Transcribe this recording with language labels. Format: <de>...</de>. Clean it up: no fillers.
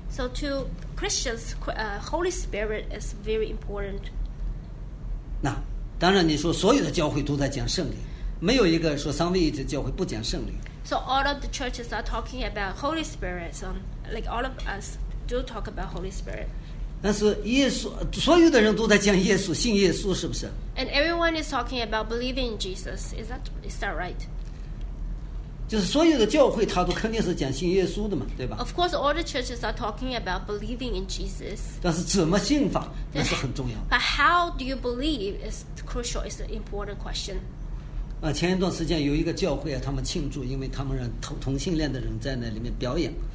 <en>So to Christians, Holy Spirit is very important.</en> <zh>那当然，你说所有的教会都在讲圣灵，没有一个说三位一体教会不讲圣灵。</zh> <en>So all of the churches are talking about Holy Spirit, so like all of us. Do talk about Holy Spirit.</en> <zh>但是耶稣，所有的人都在讲耶稣，信耶稣，是不是</zh> <en>？And everyone is talking about believing in Jesus. Is that right?</en> <zh>就是所有的教会，他都肯定是讲信耶稣的嘛，对吧</zh> <en>？Of course, all the churches are talking about believing in Jesus.</en> <zh>但是怎么信法，那是很重要。</zh> <en>But how do you believe is crucial. It's an important question.</en> <zh>前一段时间有一个教会啊，他们庆祝，因为他们让同性恋的人在那里面表演。</zh>